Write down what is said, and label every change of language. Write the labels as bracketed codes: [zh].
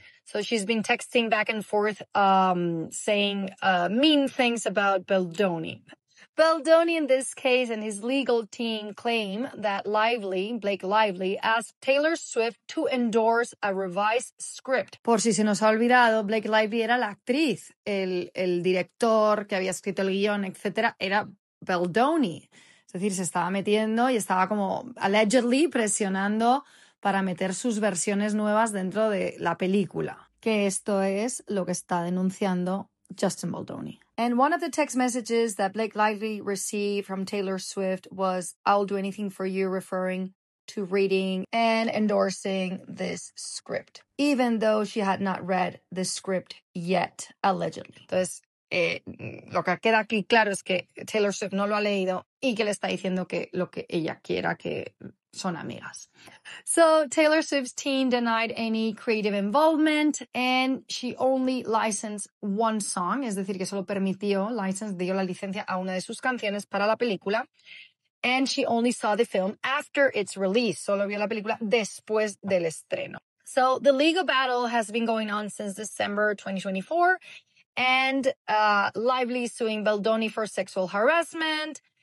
[en] So she's been texting back and forth, saying mean things about Baldoni. Baldoni, in this case, and his legal team claim that Lively, Blake Lively, asked Taylor Swift to endorse a revised script. [es] Por si se nos ha olvidado, Blake Lively era la actriz, el director que había escrito el guión, etc., era Baldoni. Es decir, se estaba metiendo y estaba como allegedly presionando para meter sus versiones nuevas dentro de la película. Que esto es lo que está denunciando Justin Baldoni. [en] And one of the text messages that Blake Lively received from Taylor Swift was, I'll do anything for you, referring to reading and endorsing this script, even though she had not read the script yet, allegedly. [es] Entonces, lo que queda aquí claro es que Taylor Swift no lo ha leído y que le está diciendo que lo que ella quiera, que son amigas. [en] So Taylor Swift's team denied any creative involvement and she only licensed one song. [es] Es decir, que solo permitió, dio la licencia a una de sus canciones para la película. [en] And she only saw the film after its release. [es] Solo vio la película después del estreno. [en] So the legal battle has been going on since December 2024. And Lively suing Baldoni for sexual harassment.